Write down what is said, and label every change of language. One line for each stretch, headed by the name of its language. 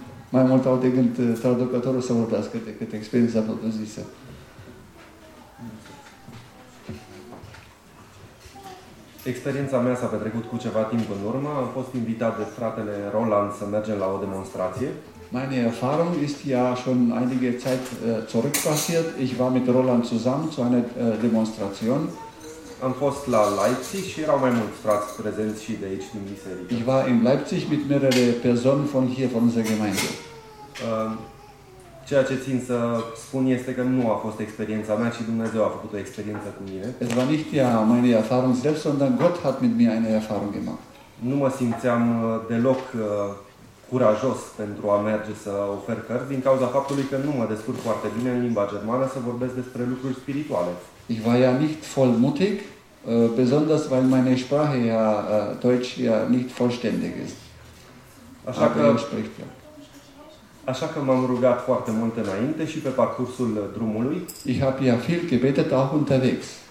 Romanian: Mai mult au de gând traducătorul să vorbească decât experiența propriu-zisă. Experiența mea s-a petrecut cu ceva timp în urmă. Am fost invitat de fratele Roland să mergem la o demonstrație.
German: Meine Erfahrung ist ja schon einige Zeit zurück passiert. Ich war mit Roland zusammen zu einer Demonstration.
Romanian: Am fost la Leipzig și erau mai mulți frați prezenți și de aici din biserică.
German: Ich war in Leipzig mit mehrere Personen von hier von unserer Gemeinde.
Romanian: Ceea ce țin să spun este că nu a fost experiența mea, ci Dumnezeu a făcut o experiență cu mine.
German: Es war nicht ja meine Erfahrung selbst, sondern Gott hat mit mir eine Erfahrung gemacht.
Romanian: Nu mă simțeam deloc curajos pentru a merge să ofer cărți din cauza faptului că nu mă descurc foarte bine în limba germană să vorbesc despre lucruri spirituale.
German: Ich war ja nicht voll mutig, besonders weil meine Sprache ja Deutsch ja nicht vollständig ist.
Romanian: Așa că,
German: spricht, ja.
Romanian: Așa că m-am rugat foarte mult înainte și pe parcursul drumului.
German: Ich habe ja viel gebetet auch unterwegs.